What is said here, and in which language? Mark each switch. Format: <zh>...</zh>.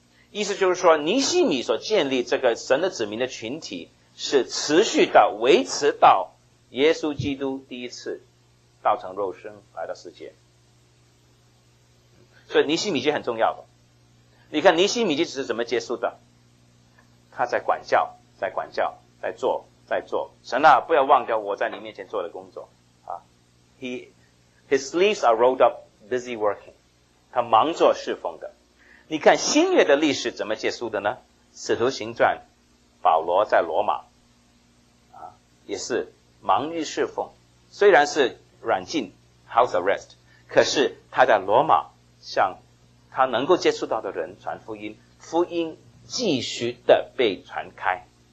<zh>意思就是说，尼希米所建立这个神的子民的群体是持续到维持到耶稣基督第一次道成肉身来到世界。所以尼西米基很重要的。你看尼西米基只是怎么结束的？他在管教，在管教，在做，在做。神啊，不要忘掉我在你面前做的工作啊。</zh> <en>His sleeves are rolled up, busy working.</en> <zh>他忙做侍奉的。你看新约的历史怎么结束的呢？使徒行传，保罗在罗马啊，也是忙于侍奉，虽然是软禁 house arrest， 可是他在罗马向他能够接触到的人传福音，福音继续的被传开。</zh>